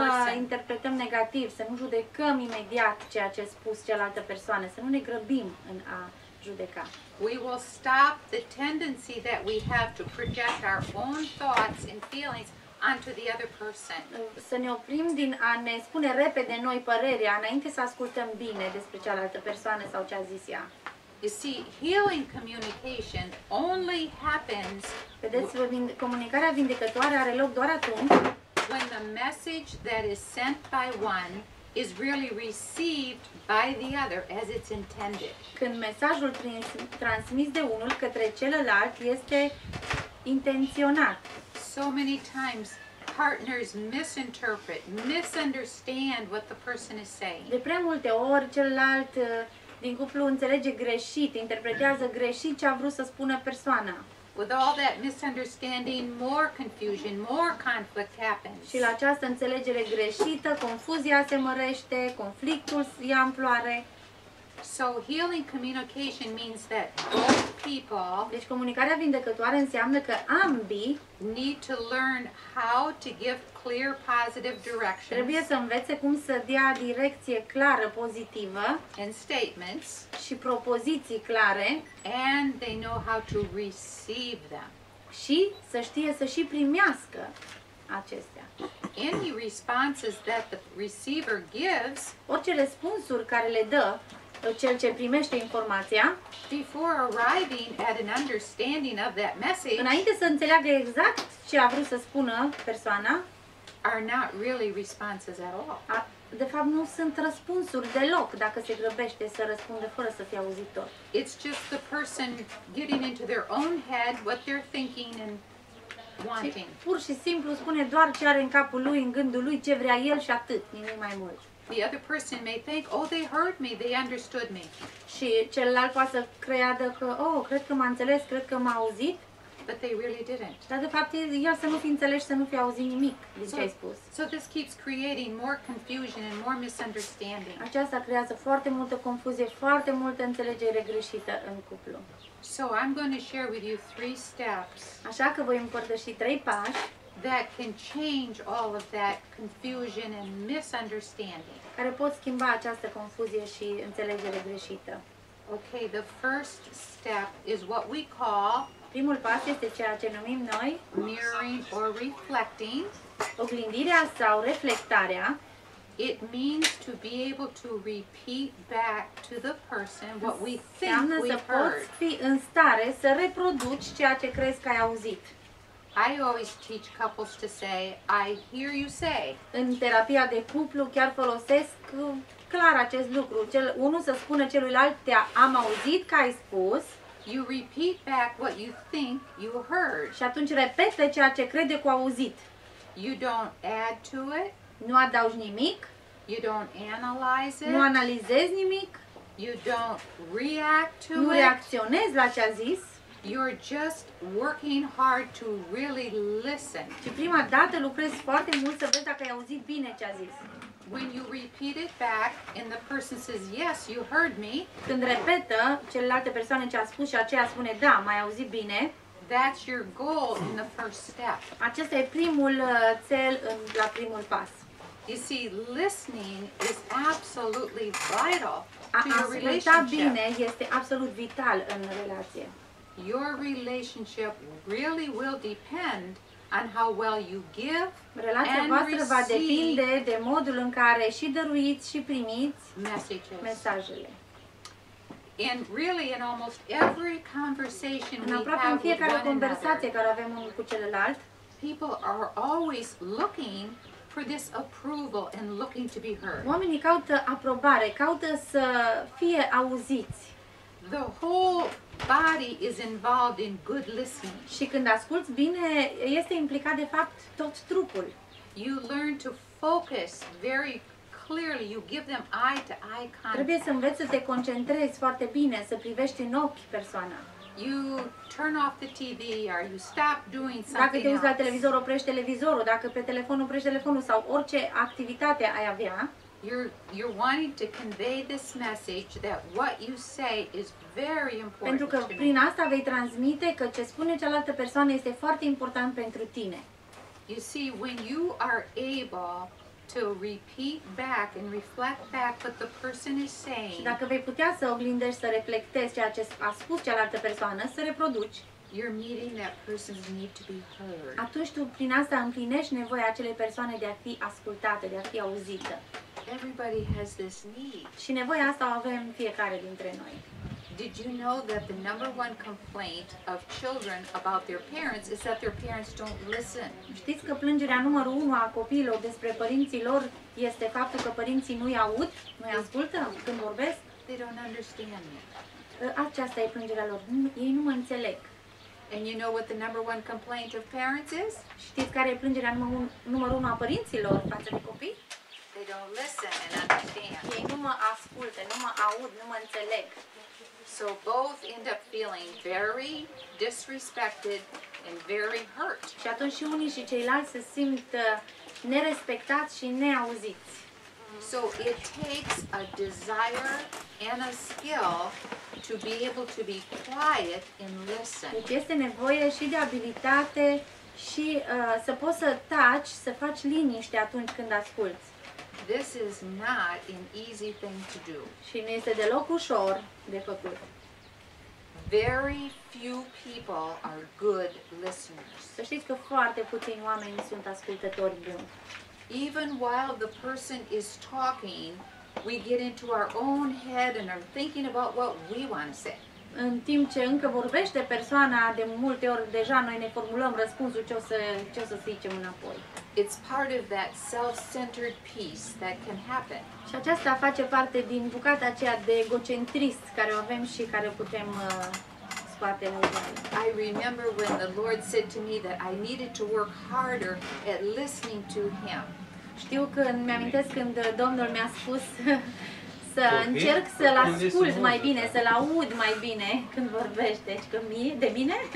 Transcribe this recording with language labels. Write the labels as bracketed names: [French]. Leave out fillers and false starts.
[Romanian] Adică să nu interpretăm negativ, să nu judecăm imediat ceea ce a spus cealaltă persoană, să nu ne grăbim în a judeca. [English] We will stop the tendency that we have to project our own thoughts and feelings onto the other person. [Romanian] Să ne oprim din a ne spune repede noi părerea înainte să ascultăm bine despre cealaltă persoană sau ce a zis ea. [English] You see, healing communication only happens. [Romanian] Vedeți, comunicarea vindecătoare are loc doar atunci [English] when the message that is sent by one is really received by the other as it's intended. [Romanian] Când mesajul transmis de unul către celălalt este intenționat. [English] So many times partners misinterpret, misunderstand what the person is saying. [Romanian] De prea multe ori celălalt din cuplu înțelege greșit, interpretează greșit ce a vrut să spună persoana. [English] With all that misunderstanding, more confusion, more conflict happens. [Romanian] Și la această înțelegere greșită, confuzia se mărește, conflictul ia amploare. [English] So healing communication means that both people, [Romanian] deci comunicarea vindecătoare înseamnă că ambii [English] need to learn how to give clear positive directions. [Romanian] Trebuie să învețe cum să dea direcție clară pozitivă [English] and statements [Romanian] și propoziții clare [English] and they know how to receive them. [Romanian] Și să știe să și primească acestea. [English] Any responses that the receiver gives, [Romanian] orice răspunsuri care le dă cel ce primește informația, [English] before arriving at an understanding of that message, [Romanian] înainte să înțeleagă exact ce a vrut să spună persoana, [English] are not really responses at all. [Romanian] De fapt nu sunt răspunsuri deloc dacă se grăbește să răspundă fără să fie auzit tot. [English] It's just the person getting into their own head what they're thinking and wanting. [Romanian] Pur și simplu spune doar ce are în capul lui, în gândul lui, ce vrea el și atât, nimic mai mult. [English] The other person may think, oh, they heard me, they understood me. [Romanian] Și celălalt poate să creadă că, oh, cred că m-a înțeles, cred că m-a auzit. [English] But they really didn't. [Romanian] Dar de fapt, ea să nu fi înțeles, să nu fi auzit nimic din ce ai spus. [English] So this keeps creating more confusion and more misunderstanding. [Romanian] Aceasta creează foarte multă confuzie, foarte multă înțelegere greșită în cuplu. [English] So I'm going to share with you three steps. [Romanian] Așa că voi împărtăși trei pași [English] that can change all of that confusion and misunderstanding. [Romanian] Care pot schimba această confuzie și înțelegere greșită. [English] Okay, the first step is what we call, [Romanian] primul pas este ceea ce numim noi [English] mirroring or reflecting, [Romanian] oglindirea sau reflectarea. [English] It means to be able to repeat back to the person what we think we heard. [Romanian] Poți fi în stare să reproduci ceea ce crezi că ai auzit. [English] I always teach couples to say, I hear you say. [Romanian] În terapia de cuplu chiar folosesc clar acest lucru. Unul să spună celuilalt, te am auzit că ai spus. [English] You repeat back what you think you heard. [Romanian] Și atunci repetă ceea ce crede cu auzit. [English] You don't add to it. [Romanian] Nu adaugi nimic. [English] You don't analyze it. [Romanian] Nu analizezi nimic. [English] You don't react to it. [Romanian] Nu reacționezi la ce a zis. [English] You're just working hard to really listen. [Romanian] Și prima dată lucrezi foarte mult să vezi dacă ai auzit bine ce a zis. [English] When you repeat it back and the person says, yes, you heard me. [Romanian] Când repetă celelalte persoane ce a spus și aceea spune, da, m-ai auzit bine. [English] That's your goal in the first step. [Romanian] Acesta e primul țel la primul pas. [English] You see, listening is absolutely vital to your relationship. [Romanian] A asculta bine este absolut vital în relație. [English] Your relationship really will depend on how well you give and receive. [Romanian] Relația voastră va depinde de modul în care și dăruiți și primiți mesajele. [English] And really in almost every conversation we have, [Romanian] în fiecare conversație care avem unul cu celălalt, [English] people are always looking for this approval and looking to be heard. [Romanian] Oamenii caută aprobare, caută să fie auziți. [English] The whole body is involved in good listening. [Romanian] Și când asculți bine, este implicat de fapt tot trupul. [English] You learn to focus very clearly. You give them eye to eye contact. [Romanian] Trebuie să înveți să te concentrezi foarte bine, să privești în ochi persoana. [English] you turn off the TV or you stop doing something. [Romanian] Dacă te uiți la televizor, oprești televizorul, dacă pe telefon oprești telefonul sau orice activitate ai avea. [English] You're wanting to convey this message that what you say is very important. [Romanian] Pentru că prin asta vei transmite că ce spune cealaltă persoană este foarte important pentru tine. [English] You see, when you are able to repeat back and reflect back what the person is saying. [Romanian] Și dacă vei putea să oglindești, să reflectezi ceea ce a spus cealaltă persoană, să reproduci. [English] You're meeting that person's need to be heard. [Romanian] Atunci tu prin asta împlinești nevoia acelei persoane de a fi ascultată, de a fi auzită. [English] Everybody has this need. [Romanian] Și nevoia asta o avem fiecare dintre noi. [English] Did you know that the number one complaint of children about their parents is that their parents don't listen? [Romanian] Știți că plângerea numărul 1 a copiilor despre părinții lor este faptul că părinții nu-i aud, nu-i ascultă când vorbesc? [English] They don't understand me. [Romanian] Aceasta e plângerea lor. Ei nu mă înțeleg. [English] And you know what the number one complaint of parents is? [Romanian] Știți care e plângerea numărul 1 a părinților față de copii? [English] They don't listen and understand. [Romanian] Ei nu mă ascultă, nu mă aud, nu mă înțeleg. [English] So both end up feeling very disrespected and very hurt. [Romanian] Și atunci și unii și ceilalți se simt nerespectați și neauziți. [English] So it takes a desire and a skill to be able to be quiet and listen. [Romanian] Deci este nevoie și de abilitate și să poți să taci, să faci liniște atunci când asculți. [English] This is not an easy thing to do. [Romanian] Și nu este deloc ușor de făcut. [English] Very few people are good listeners. [Romanian] Să știți că foarte puțini oameni sunt ascultători buni. [English] Even while the person is talking, we get into our own head and are thinking about what we want to say. [Romanian] În timp ce încă vorbește persoana, de multe ori deja noi ne formulăm răspunsul ce o să zicem înapoi. [English] It's part of that self-centered piece that can happen. [Romanian] Și aceasta face parte din bucata aceea de egocentrist care o avem și care o putem scoate la iveală. [English] I remember when the Lord said to me that I needed to work harder at listening to him. [Romanian] Știu că mi-amintesc când Domnul mi-a spus să încerc să-l ascult mai bine, să-l aud mai bine când vorbește, deci că mie de mine.